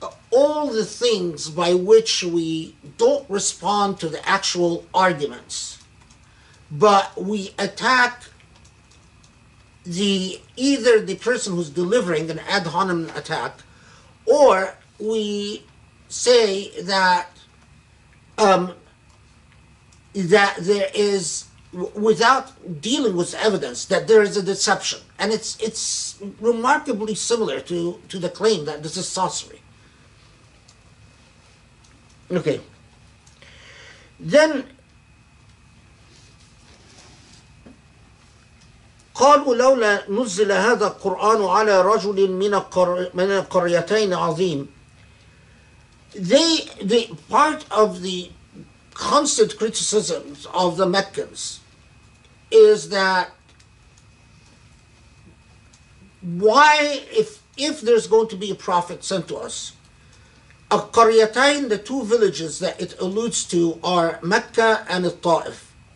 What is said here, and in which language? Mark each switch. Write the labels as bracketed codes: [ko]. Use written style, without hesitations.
[en] All the things by which we don't respond to the actual arguments, but we attack the either the person who's delivering an ad hominem attack, or we say that that there is, without dealing with evidence, that there is a deception. And it's remarkably similar to the claim that this is sorcery. Okay. Then [ar] قالوا لولا نزل هذا القرآن على رجل من القريتين عظيم. [en] The part of the constant criticisms of the Meccans is that why, if there's going to be a prophet sent to us, Al-Qaryatayn, the two villages that it alludes to, are Mecca and Al-Ta'if.